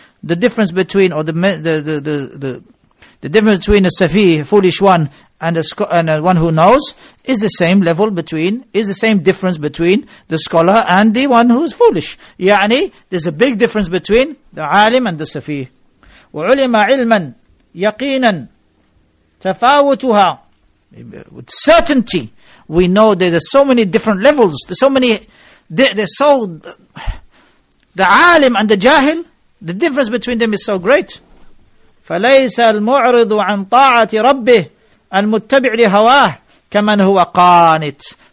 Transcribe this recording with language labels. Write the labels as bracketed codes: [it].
[en] The difference between the difference between a safih, a foolish one, and a one who knows is the same difference between the scholar and the one who is foolish. يعني there's a big difference between the عالم and the safih. [ar] وعلم علما يقينا تفاوتها [en] with certainty. We know that there's so many different levels. There's so many. The alim and the jahil. The difference between them is so great. [ar] فَلَيْسَ الْمُعْرِضُ عَنْ طَاعَةِ رَبِّهِ الْمُتَّبِعِ لِهَوَاهِ كَمَنْ هُوَ قَانِتٌ.